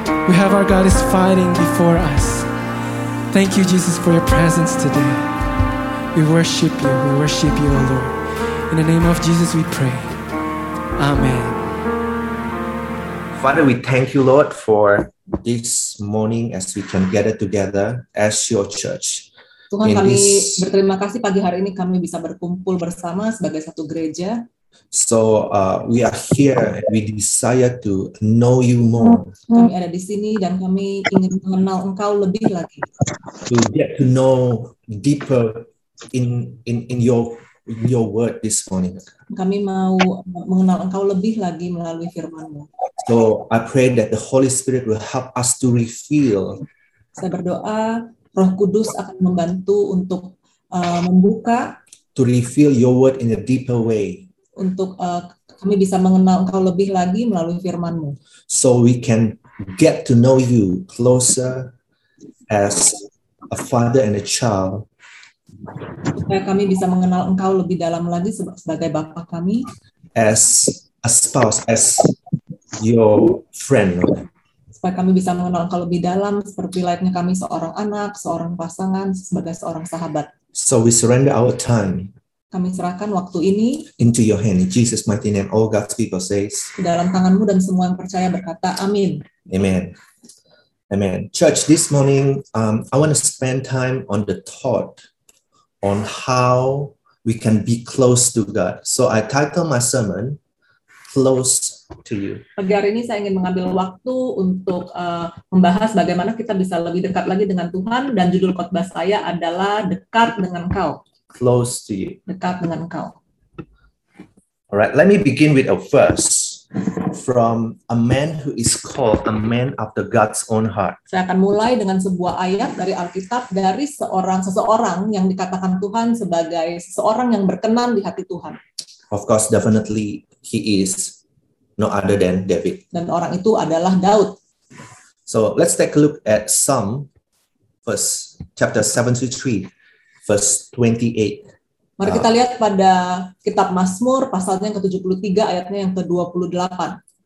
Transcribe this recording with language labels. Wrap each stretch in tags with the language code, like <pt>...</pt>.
<en>We have our God is fighting before us. Thank you, Jesus, for your presence today. We worship you. We worship you, O Lord. In the name of Jesus, we pray. Amen. Father, we thank you, Lord, for this morning as we can gather together as your church.</en> <id>Tuhan, kami berterima kasih pagi hari ini kami bisa berkumpul bersama sebagai satu gereja.</id> <en>So we are here. We desire to know you more.</en> <id>Kami ada di sini dan kami ingin mengenal Engkau lebih lagi.</id> <en>To get to know deeper in your word this morning.</en> <id>Kami mau mengenal Engkau lebih lagi melalui firman-Mu.</id> <en>So I pray that the Holy Spirit will help us to reveal.</en> <id>Saya berdoa Roh Kudus akan membantu untuk membuka.</id> <en>To reveal your word in a deeper way.</en> <id>Untuk kami bisa mengenal Engkau lebih lagi melalui firman-Mu.</id> <en>So we can get to know you closer as a father and a child.</en> <id>Supaya kami bisa mengenal Engkau lebih dalam lagi sebagai Bapa kami.</id> <en>As a spouse, as your friend.</en> <id>Supaya kami bisa mengenal Engkau lebih dalam seperti layaknya kami seorang anak, seorang pasangan, sebagai seorang sahabat.</id> <en>So we surrender our time.</en> <id>Kami serahkan waktu ini.</id> <en>Into your hand, in Jesus' mighty name, all God's people says.</en> <id>Dalam tangan-Mu dan semua yang percaya berkata, amin.</id> <en>Amen. Amen. Church, this morning, I want to spend time on the thought on how we can be close to God. So I title my sermon, Close to You.</en> <id>Pagi hari ini saya ingin mengambil waktu untuk membahas bagaimana kita bisa lebih dekat lagi dengan Tuhan, dan judul khotbah saya adalah Dekat dengan Engkau.</id> <en>Close to You.</en> <id>Dekat dengan Engkau.</id> <en>Alright, let me begin with a verse from a man who is called a man after God's own heart.</en> <id>Saya akan mulai dengan sebuah ayat dari Alkitab dari seseorang yang dikatakan Tuhan sebagai seseorang yang berkenan di hati Tuhan.</id> <en>Of course, definitely he is no other than David.</en> <id>Dan orang itu adalah Daud.</id> <en>So let's take a look at Psalm, first chapter 73, verse 28.</en> <id>Mari kita lihat pada kitab Mazmur pasalnya ke-73 ayatnya yang ke-28.</id>